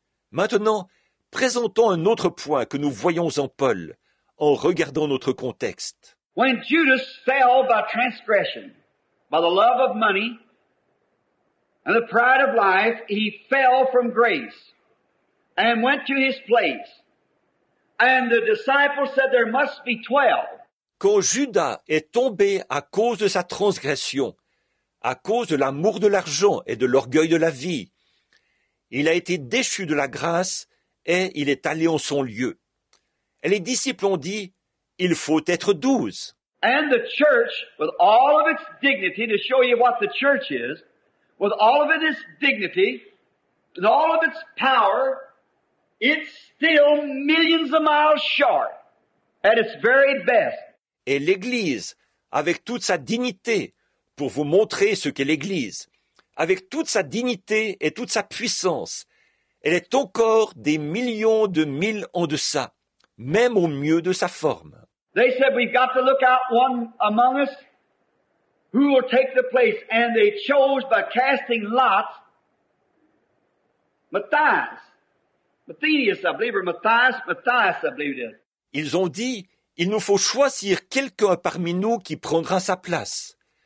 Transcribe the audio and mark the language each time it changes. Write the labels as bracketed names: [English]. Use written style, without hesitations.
[French] Maintenant, présentons un autre point que nous voyons en Paul, en regardant notre contexte. [English] When Judas fell by transgression, by the love of money and the pride of life, he fell from grace and went to his place. And the disciples said there must be 12. [French] Quand Judas est tombé à cause de sa transgression, à cause de l'amour de l'argent et de l'orgueil de la vie, il a été déchu de la grâce et il est allé en son lieu. Et les disciples ont dit, il faut être 12. [English] And the church, with all of its dignity, to show you what the church is, with all of its dignity and all of its power, it's still millions of miles short at its very best. [French] Et l'Église, avec toute sa dignité, pour vous montrer ce qu'est l'Église, avec toute sa dignité et toute sa puissance, elle est encore des millions de milles en deçà, même au mieux de sa forme. [English] They said, we've got to look out one among us who will take the place. And they chose by casting lots, Matthias, I believe it is. [French] Ils ont dit, il nous faut choisir quelqu'un parmi nous qui prendra sa place.